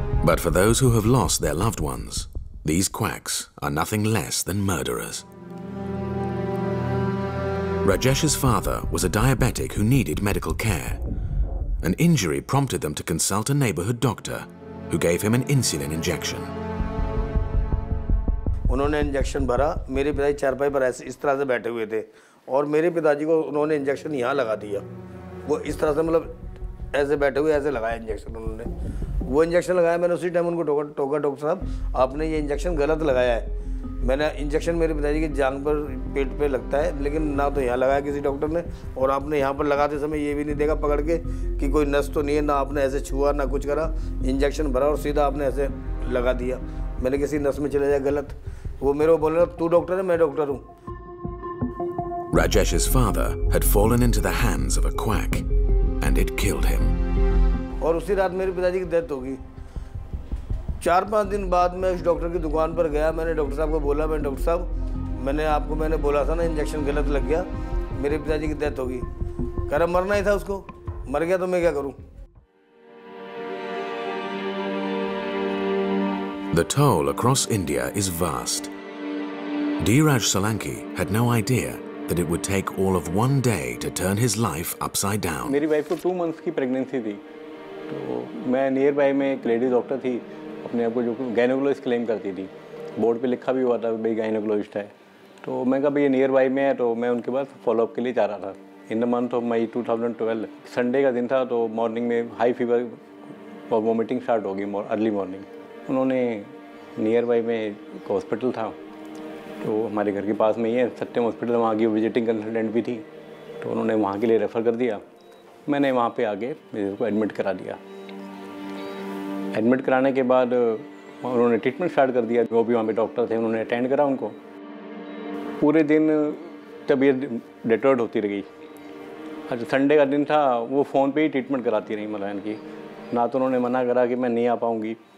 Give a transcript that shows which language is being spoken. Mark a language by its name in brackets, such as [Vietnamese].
[English] But for those who have lost their loved ones, these quacks are nothing less than murderers. Rajesh's father was a diabetic who needed medical care. An injury prompted them to consult a neighborhood doctor who gave him an insulin injection. [Hindi] उन्होंने injection भरा मेरे पिताजी चारपाई पर ऐसे इस तरह से बैठे हुए थे और मेरे पिताजी को उन्होंने इंजेक्शन यहाँ लगा दिया वो इस तरह से मतलब ऐसे बैठे हुए ऐसे लगाया इंजेक्शन उन्होंने वो इंजेक्शन लगाया मैंने उसी टाइम उनको टोका डॉक्टर साहब आपने ये इंजेक्शन गलत लगाया है मैंने इंजेक्शन मेरे पिताजी की जान पर पेट पर लगता है लेकिन ना तो यहाँ लगाया किसी डॉक्टर ने और आपने यहाँ पर लगाते समय ये भी नहीं देखा पकड़ के कि कोई नस तो नहीं है ना आपने ऐसे छुआ ना कुछ करा इंजेक्शन भरा और सीधा आपने ऐसे लगा दिया मैंने किसी नस में चले जाए गलत वो मेरे को बोल रहा तू डॉक्टर है मैं डॉक्टर हूँ [English] Rajesh's father had fallen into the hands of a quack and it killed him. [Hindi] और उसी रात मेरे पिताजी की डेथ हो गई चार पांच दिन बाद मैं उस डॉक्टर की दुकान पर गया मैंने डॉक्टर साहब को बोला मैं डॉक्टर साहब मैंने आपको मैंने बोला था ना इंजेक्शन गलत लग गया मेरे पिताजी की डेथ हो गई कह रहा मरना ही था उसको मर गया तो मैं क्या करूं [English] The toll across India is vast. Dheeraj Solanki had no idea that it would take all of one day to turn his life upside down. My wife was 2 months pregnant. So, I nearby a lady doctor. She claimed to be a gynecologist. She was on the board that she was a gynecologist. So, I said, she is nearby. So, I was going to follow up for her. In the month of May 2012, Sunday was the day. So, morning, high fever for vomiting started early morning. [Hindi] उन्होंने near by में एक hospital था तो हमारे घर के पास में ही है सत्यम हॉस्पिटल वहाँ की विजिटिंग कंसल्टेंट भी थी तो उन्होंने वहाँ के लिए रेफ़र कर दिया मैंने वहाँ पे आके मेरे को एडमिट करा दिया एडमिट कराने के बाद उन्होंने ट्रीटमेंट स्टार्ट कर दिया जो भी वहाँ पे डॉक्टर थे उन्होंने अटेंड करा उनको पूरे दिन तबीयत डिटर्ड होती रही अच्छा संडे का दिन था वो फ़ोन पर ही ट्रीटमेंट कराती रही मतलब इनकी ना तो उन्होंने मना करा कि मैं नहीं आ पाऊँगी